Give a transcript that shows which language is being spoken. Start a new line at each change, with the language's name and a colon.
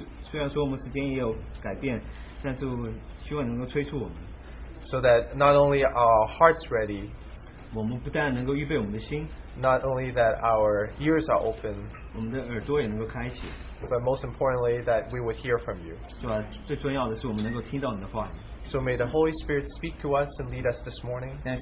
Chinese: 虽然说我们时间也有改变,
English: so that not only are our hearts ready,
Chinese: 我们不但能够预备我们的心,
English: not only that our ears are open,
Chinese: 我们的耳朵也能够开启,
English: but most importantly that we would hear from you.
Chinese: 是吧,
English: so may the Holy Spirit speak to us and lead us this morning.